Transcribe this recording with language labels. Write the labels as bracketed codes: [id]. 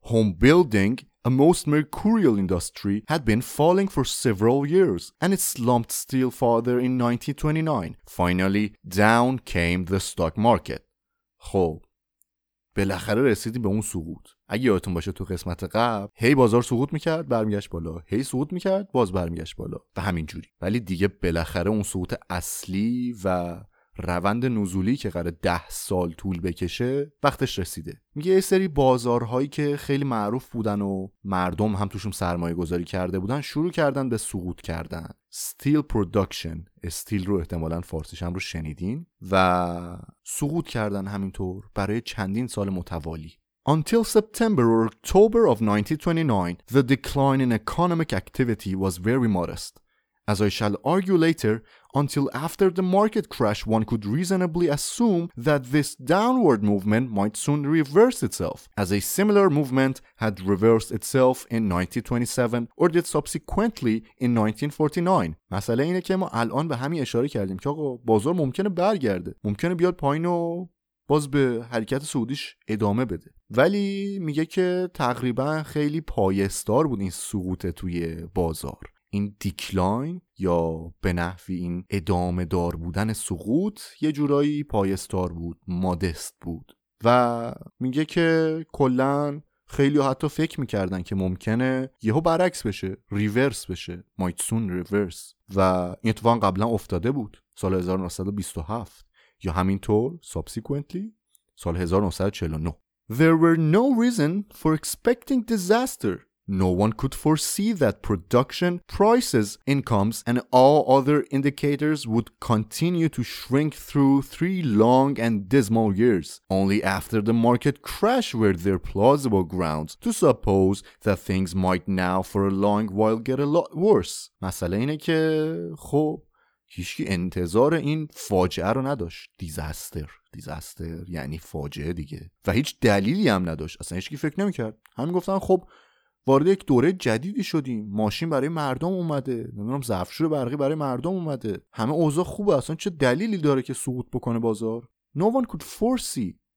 [en] Home building, a most mercurial industry, had been falling for several years, and it slumped still further in 1929. Finally, down came the stock market. [fa] خب، بالاخره رسیدیم به اون سقوط. اگه یادتون باشه تو قسمت قبل هی بازار سقوط میکرد برمیگشت بالا، هی سقوط میکرد باز برمیگشت بالا و همین جوری. ولی دیگه بالاخره اون سقوط اصلی و روند نزولی که قرار 10 سال طول بکشه وقتش رسیده. میگه یه سری بازارهایی که خیلی معروف بودن و مردم هم توشون سرمایه گذاری کرده بودن شروع کردن به سقوط کردن. استیل پروداکشن، استیل رو احتمالاً فارسیش هم رو شنیدین، و سقوط کردن همینطور برای چندین سال متوالی. [en] Until September or October of 1929, the decline in economic activity was very modest. As I shall argue later, until after the market crash, one could reasonably assume that this downward movement might soon reverse itself, as a similar movement had reversed itself in 1927 or did subsequently in 1949. [fa] مسئله اینه که ما الان به همین اشاره کردیم که آقا بازار ممکنه برگرده، ممکنه بیاد پایین و باز به حرکت سعودیش ادامه بده. ولی میگه که تقریبا خیلی پایستار بود این سقوط توی بازار، این دیکلاین یا به نحوی این ادامه دار بودن سقوط یه جورایی پایستار بود، مادست بود. و میگه که کلن خیلی حتی فکر میکردن که ممکنه یهو برعکس بشه، ریورس بشه، [en] might soon reverse. [fa] و این اتفاق قبلا افتاده بود سال 1927 یا همینطور subsequently سال 1949. [en] There were no reason for expecting disaster. No one could foresee that production, prices, incomes, and all other indicators would continue to shrink through 3 long and dismal years. Only after the market crash were there plausible grounds to suppose that things might now for a long while get a lot worse. [fa] مسئله اینه که خب هیچکی انتظار این فاجعه رو نداشت. دیزاستر، دیزاستر یعنی فاجعه دیگه، و هیچ دلیلی هم نداشت، اصلا هیچکی فکر نمیکرد. همین گفتن خب وارد یک دوره جدیدی شدیم، ماشین برای مردم اومده، نمیدونم ظرفشور برقی برای مردم اومده، همه اوضاع خوبه، اصلا چه دلیلی داره که سقوط بکنه بازار؟ [en] No one could foresee.